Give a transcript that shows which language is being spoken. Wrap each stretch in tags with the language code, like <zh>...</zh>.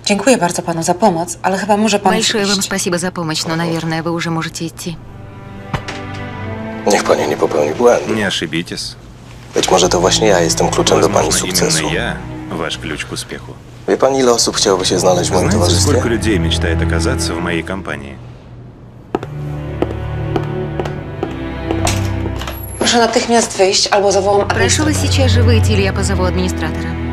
<pl>Dziękuję bardzo panu za pomoc, ale chyba może pan.</pl> <ru>Большое вам спасибо за помощь, но, наверное, вы уже можете идти.</ru> <pl>Niech pani nie popełni błędu.</pl> <ru>Не ошибитесь.</ru> <pl>Być może to właśnie ja jestem kluczem do pani sukcesu. Ja,</pl> <ru>ваш ключ к успеху.</ru> <pl>Wie pani, ile osób chciałoby się znaleźć w moim towarzystwie?</pl> <ru>Сколько людей мечтает оказаться в моей компании?</ru> <pl>Proszę natychmiast wyjść, albo zawołam administratora. Proszę</pl> <ru>вас сейчас же выйти, или я позову администратора.</ru>